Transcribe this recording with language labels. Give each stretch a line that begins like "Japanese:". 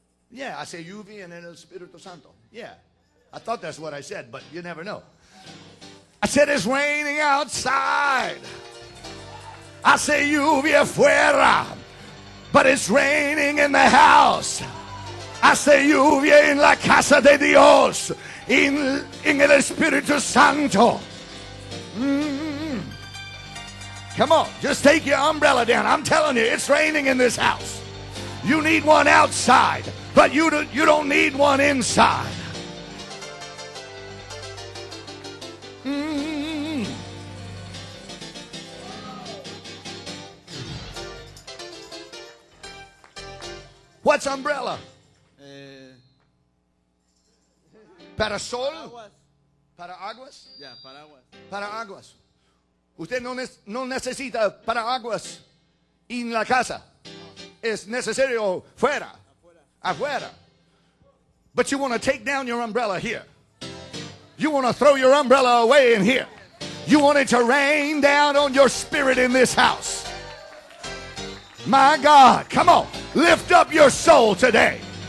Spanish: Yeah, hace lluvia en el Espíritu Santo.
English: Yeah. I thought that's what I said, but you never know. I said it's raining outside.
Spanish: Hace lluvia fuera.
English: But it's raining in the house.
Spanish: Hace lluvia en la casa de Dios. En el Espíritu Santo.
English: Come on, just take your umbrella down. I'm telling you, it's raining in this house. You need one outside, but you don't need one inside. What's umbrella?
Spanish: Parasol? Paraguas? Yeah, paraguas. Paraguas. Usted no necesita paraguas en la casa. Es necesario fuera. Afuera.
English: But you want to take down your umbrella here. You want to throw your umbrella away in here. You want it to rain down on your spirit in this house. My God, come on. Lift up your soul today.